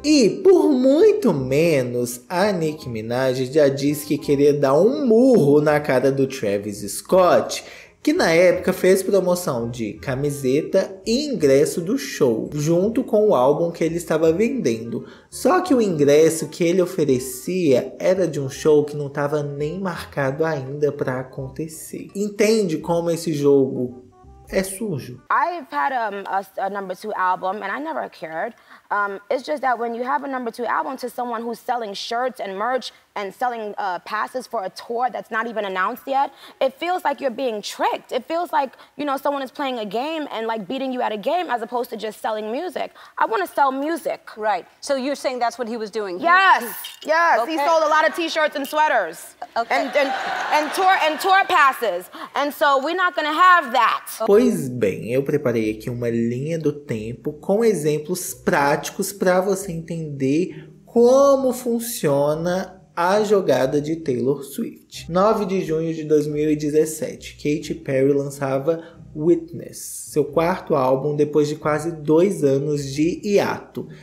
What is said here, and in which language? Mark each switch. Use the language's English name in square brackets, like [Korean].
[Portuguese] E por muito menos, a Nicki Minaj já disse que queria dar um murro na cara do Travis Scott, que na época fez promoção de camiseta e ingresso do show, junto com o álbum que ele estava vendendo. Só que o ingresso que ele oferecia era de um show que não estava nem marcado ainda para acontecer. Entende como esse jogo é sujo? [English] I've had a number two album and I never cared. It's just that when you have a number two album to someone who's selling shirts and merch and selling passes for a tour that's not even announced yet, it feels like you're being tricked. It feels like, you know, someone is playing a game and like beating you at a game as opposed to just selling music. I want to sell music. Right. So you're saying that's what he was doing? Yes. Yes. Okay. He sold a lot of t-shirts and sweaters. Okay. And tour passes. And so we're not going to have that. [Portuguese] Pois bem, eu preparei aqui uma linha do tempo com exemplos práticos para você entender como funciona a jogada de Taylor Swift. 9 de junho de 2017, Katy Perry lançava Witness, seu quarto álbum depois de quase 2 anos de hiato.